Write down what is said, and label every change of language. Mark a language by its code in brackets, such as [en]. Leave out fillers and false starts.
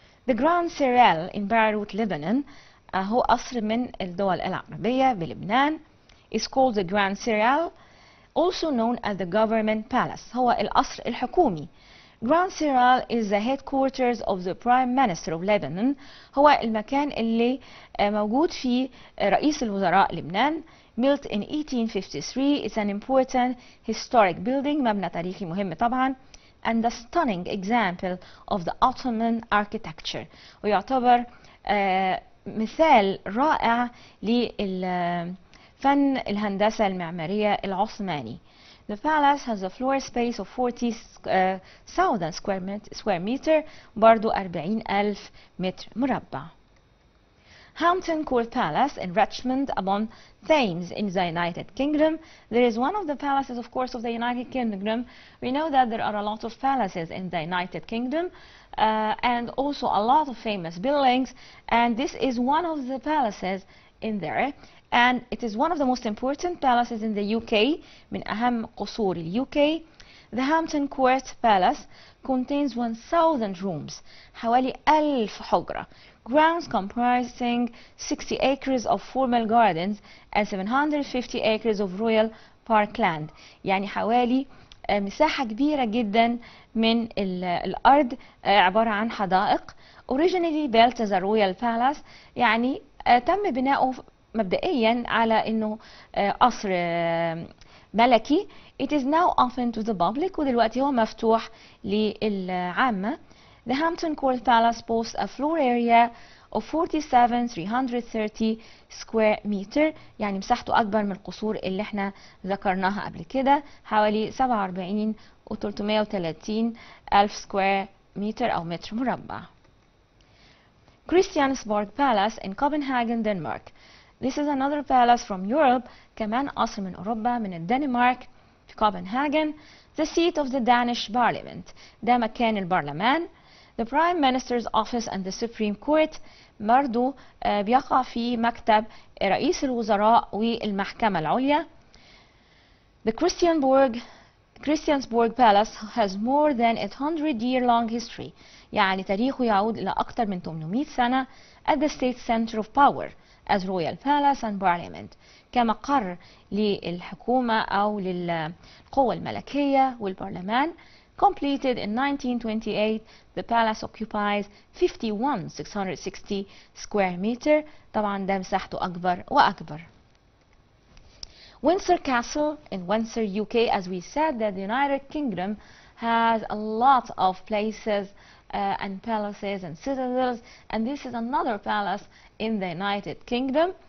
[en] The Grand Serail in Beirut, Lebanon, [ar] هو قصر من الدول العربية بلبنان. [en] It's called the Grand Serail, also known as the Government Palace. [ar] هو القصر الحكومي. [en] Grand Serail is the headquarters of the Prime Minister of Lebanon. [ar] هو المكان اللي موجود فيه رئيس الوزراء لبنان. [en] Built in 1853, it's an important historic building. [ar] مبنى تاريخي مهم طبعاً. [en] And a stunning example of the Ottoman architecture. [ar] ويعتبر مثال رائع للفن الهندسة المعمارية العثماني. [en] The palace has a floor space of 40,000 square meter. [ar] برضو 40,000 متر مربع. [en] Hampton Court Palace in Richmond upon Thames in the United Kingdom. There is one of the palaces, of course, of the United Kingdom. We know that there are a lot of palaces in the United Kingdom and also a lot of famous buildings. And this is one of the palaces in there. And it is one of the most important palaces in the UK. [ar] من أهم قصور UK. [en] The Hampton Court Palace contains 1,000 rooms. [ar] حوالي 1,000 حجرة. [en] Grounds comprising 60 acres of formal gardens and 750 acres of royal parkland. [ar] يعني حوالي مساحة كبيرة جدا من الأرض عبارة عن حدائق. [en] Originally built as a royal palace. [ar] يعني تم بناؤه مبدئيا على أنه قصر ملكي. [en] It is now open to the public. [ar] ودلوقتي هو مفتوح للعامة. [en] The Hampton Court Palace boasts a floor area of 47,330 square meter. [ar] يعني مساحته أكبر من القصور اللي احنا ذكرناها قبل كده. حوالي 47,330 ألف square meter أو متر مربع. [en] Christiansborg Palace in Copenhagen, Denmark. This is another palace from Europe. [ar] كمان قصر من أوروبا من الدنمارك في كوبنهاجن. [en] The seat of the Danish Parliament. [ar] ده مكان البرلمان. [en] The Prime Minister's Office and the Supreme Court [ar] برضو بيقع في مكتب رئيس الوزراء والمحكمة العليا. [en] The Christiansborg Palace has more than 800 year long history. [ar] يعني تاريخه يعود إلى أكثر من 800 سنة. [en] At the State Center of Power. as royal palace and parliament، [ar] كمقر للحكومة أو للقوة الملكية والبرلمان. [en] Completed in 1928, the palace occupies 51,660 square meter. [ar] طبعا ده مساحته أكبر وأكبر. [en] Windsor Castle in Windsor, UK. As we said, that the United Kingdom has a lot of places and palaces and citadels, and this is another palace in the United Kingdom.